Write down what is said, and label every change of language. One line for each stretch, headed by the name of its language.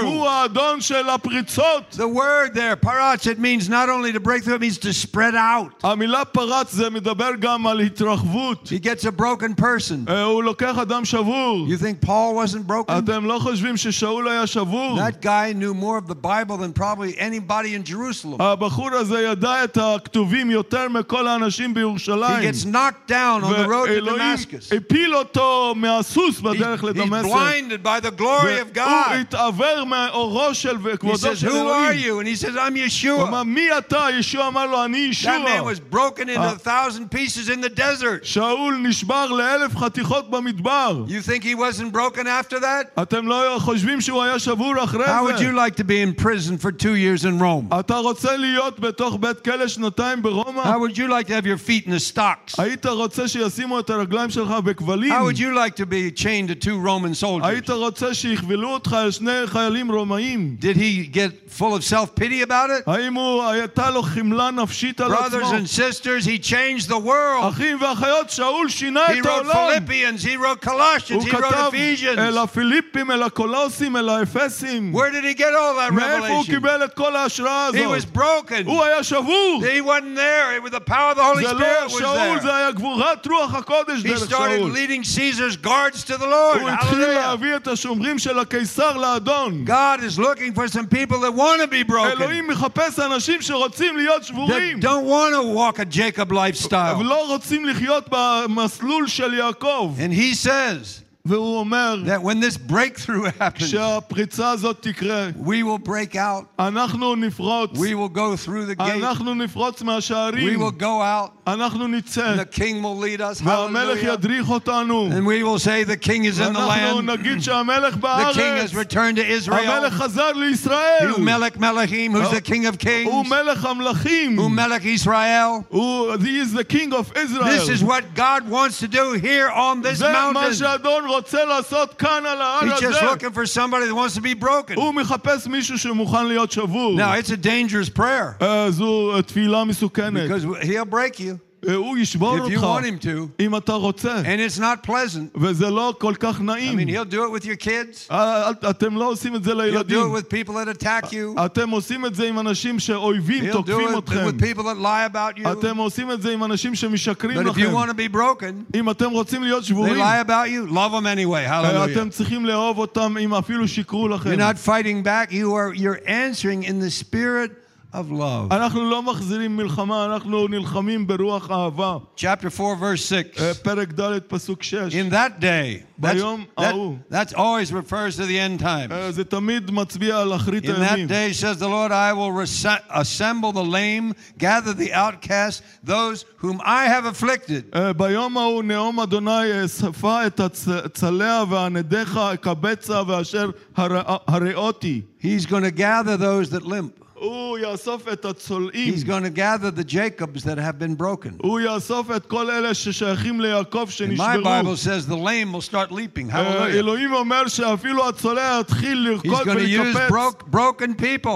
English: The word there, paratz, it means not only to break through, it means to spread out. He gets a broken person. You think Paul wasn't broken? That guy knew more of the Bible than probably anybody in Jerusalem.
Hebrew: הבחור הזה ידע את הכתובים יותר מכל האנשים בירושלים.
English: He gets knocked down on the road to Damascus.
Hebrew: ואלוהים הפיל אותו מהסוס בדרך לדמשק.
English: He's blinded by the glory of God.
Hebrew: הוא התעוור מאורו של וכבודו של אלוהים.
English: He says, "Who are you?" And he says, "I'm Yeshua."
Hebrew: הוא אמר, "מי אתה?" ישוע אמר לו, "אני ישוע."
English: That man was broken into 1,000 pieces in the desert.
Hebrew: שאול נשבר לאלף חתיכות במדבר.
English: You think he wasn't broken after that?
Hebrew: אתם לא חושבים שהוא היה שבור אחרי זה?
English: How would you like to be in prison for 2 years in Rome?
Hebrew: אתה רוצה להיות בתוך בית כלא שנתיים ברומא?
English: How would you like to have your feet in the stocks?
Hebrew: היית רוצה שישימו את הרגליים שלך בכבלים?
English: How would you like to be chained to 2 Roman soldiers?
Hebrew: היית רוצה שיכבלו אותך לשני חיילים רומאים?
English: Did he get full of self-pity about it?
Hebrew: האם הייתה לו חמלה נפשית על עצמו?
English: Brothers and sisters, he changed the world.
Hebrew: אחים ואחיות, שאול שינה את העולם.
English: He wrote Philippians, he wrote Colossians, he wrote Ephesians.
Hebrew: אל הפיליפים, אל הקולוסים, אל האפסים.
English: Where did he get all that revelation?
Hebrew: מאיפה הוא קיבל את כל ההשראה הזאת?
English: He was broken.
Hebrew: הוא היה שבור.
English: He wasn't there. It was the power of the Holy Spirit was there.
Hebrew: זה לא שאול, זה היה גבורת רוח הקודש דרך שאול.
English: He started leading Caesar's guards to the Lord.
Hebrew: הוא התחיל להביא את השומרים של הקיסר לאדון.
English: God is looking for some people that want to be broken.
Hebrew: אלוהים מחפש אנשים שרוצים להיות שבורים.
English: That don't want to walk a Jacob lifestyle.
Hebrew: ולא רוצים לחיות במסלול של יעקב.
English: And he says, that when this breakthrough happens, we will break out. We will go through the gate. We will go out. And the king will lead us. Hallelujah. And we will say the king is in the land. The king has returned to Israel. Who
Hebrew: Melech Melechim,
English: who's the king of kings.
Hebrew: Who Melech Israel.
English: He is the king of Israel. This is what God wants to do here on this mountain. He's just looking for somebody that wants to be broken.
Hebrew: הוא מחפש מישהו שמוכן להיות שבור.
English: Now it's a dangerous prayer.
Hebrew: זו תפילה מסוכנת.
English: Because he'll break you. If you want him to,
Hebrew: אם אתה רוצה,
English: and it's not pleasant,
Hebrew: וזה לא כל כך נעים.
English: I mean, he'll do it with your kids.
Hebrew: אתם לא עושים את זה לילדים.
English: He'll do it with people that attack you.
Hebrew: אתם עושים את זה עם אנשים שאויבים תוקפים אתכם.
English: He'll do it with people that lie about you.
Hebrew: אתם עושים את זה עם אנשים שמשקרים לכם.
English: But if you want to be broken,
Hebrew: אם אתם רוצים להיות שבורים,
English: they lie about you. Love them anyway. Hallelujah.
Hebrew: אתם צריכים לאהוב אותם אם אפילו שיקרו לכם.
English: You're not fighting back. You're answering in the spirit. Of love.
Hebrew: אנחנו לא מחזירים מלחמה, אנחנו נלחמים ברוח אהבה.
English: Chapter 4, verse 6.
Hebrew: פרק ד', פסוק 6.
English: In that day,
Hebrew: ביום ההוא.
English: That always refers to the end times.
Hebrew: זה תמיד מצביע על אחרית הימים.
English: In that day, says the Lord, I will assemble the lame, gather the outcast, those whom I have afflicted.
Hebrew: ביום ההוא, נאום אדוני, אספה את הצלע והנדחה, הקבצה ואשר הראותי.
English: He's going to gather those that limp. He's going to gather the Jacobs that have been broken. And my Bible says the lame will start leaping. Hallelujah. He's going to use broken people.